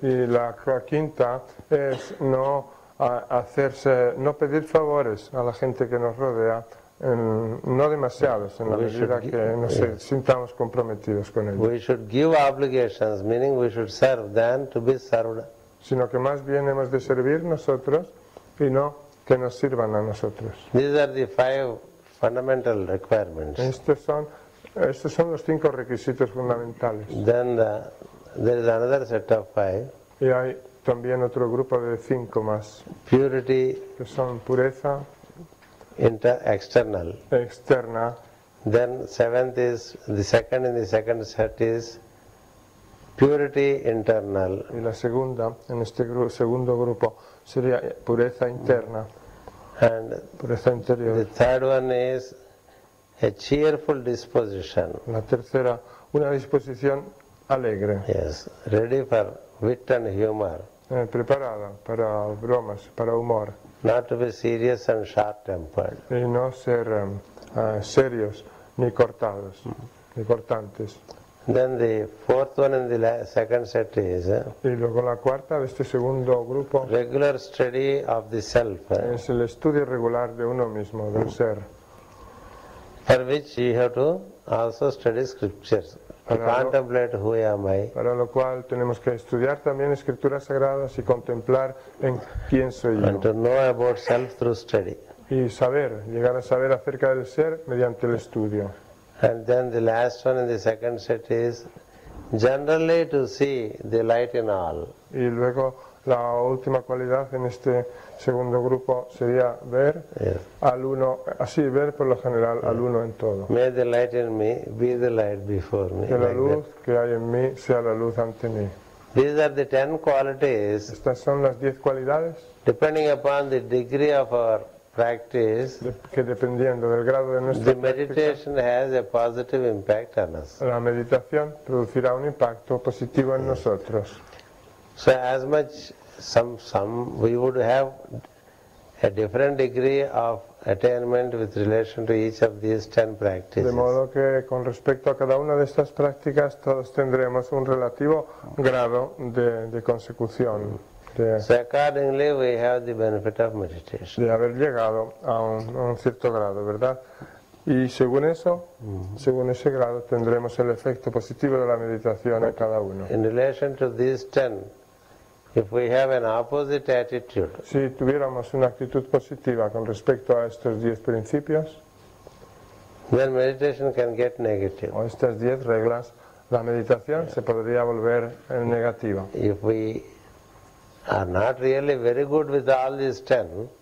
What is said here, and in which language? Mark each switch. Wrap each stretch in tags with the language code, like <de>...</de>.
<es>Y la quinta es no hacerse, no pedir favores a la gente que nos rodea, no demasiados en la medida que nos sintamos comprometidos con ellos.</es> <en>We should give obligations, meaning we should serve than to be served.</en> <es>Sino que más bien hemos de servir nosotros y no que nos sirvan a nosotros.</es> <en>These are the five fundamental requirements.</en> <es>Estos son los cinco requisitos fundamentales.</es> <en>Then there is another set of five.</en> <es>Y hay también otro grupo de cinco más.</es> <en>Purity.</en> <es>Que son pureza.</es> <en>External.</en> <es>Externa.</es> <en>Then seventh is the second in the second set is purity internal.</en> <es>Y la segunda en este segundo grupo sería pureza interna.</es> <en>And the third one is a cheerful disposition.</en> <es>La tercera, una disposición alegre.</es> <en>Yes, ready for wit and humor.</en> <es>Preparada para bromas, para humor.</es> <en>Not to be serious and short-tempered.</en> <es>Y no ser serios ni cortados, ni cortantes.</es> <en>Then the fourth one in the second set is</en> <es>y luego la cuarta de este segundo grupo</es> <en>regular study of the self.</en> <es>Es el estudio regular de uno mismo, del ser.</es> <en>For which you have to also study scriptures to contemplate who am I.</en> <es>Para lo cual tenemos que estudiar también escrituras sagradas y contemplar en quién soy yo.</es> <en>And to know about self through study.</en> <es>y saber, llegar a saber acerca del ser mediante el estudio.</es> <en>And then the last one in the second set is generally to see the light in all.</en> <es>Y luego la última cualidad en este segundo grupo sería ver al uno, así ver por lo general al uno en todo.</es> <en>May the light in me be the light before me.</en> <es>Que la luz que hay en mí sea la luz ante mí.</es> <en>These are the 10 qualities.</en> <es>Estas son las 10 cualidades.</es> <en>Depending upon the degree of our practice,</en> <es>que dependiendo del grado de nuestra</es> <en>the meditation has a positive impact on us.</en> <es>La meditación producirá un impacto positivo en nosotros.</es> <en>So as much some we would have a different degree of attainment with relation to each of these 10 practices.</en> <es>De modo que con respecto a cada una de estas prácticas todos tendremos un relativo grado de consecución.</es> <en>So accordingly we have the benefit of meditation.</en> <es>De haber llegado a un cierto grado, ¿verdad? Y según eso, según ese grado tendremos el efecto positivo de la meditación en cada uno.</es> <en>In relation to these 10, if we have an opposite attitude.</en> <es>Si tuviéramos una actitud positiva con respecto a estos 10 principios,</es> <en>then meditation can get negative.</en> <es>O estas 10 reglas, la meditación se podría volver negativa.</es> <en>If we are not really very good with all these 10,</en>